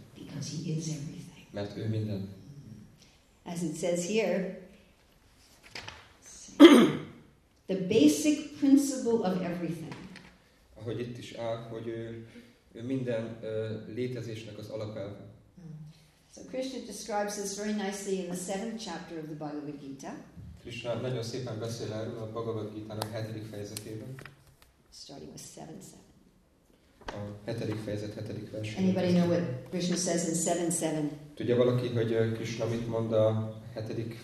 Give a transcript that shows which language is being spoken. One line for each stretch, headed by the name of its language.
English: Because he is everything.
Hungarian: Mert ő minden.
English: As it says here, the basic principle of everything.
Hungarian: Ahogy itt is áll, hogy ő minden létezésnek az alapelve.
English: So Krishna describes this very nicely in the 7th chapter of the Bhagavad Gita.
Hungarian: Krishna nagyon szépen beszél erről a Bhagavad Gita-nak 7. fejezetében.
English: Starting with 7:7.
Hungarian: A 7. fejezet 7. vers.
English: Anybody know what Krishna says in 7:7?
Hungarian: Tudja valaki, hogy Krishna mit mond a 7.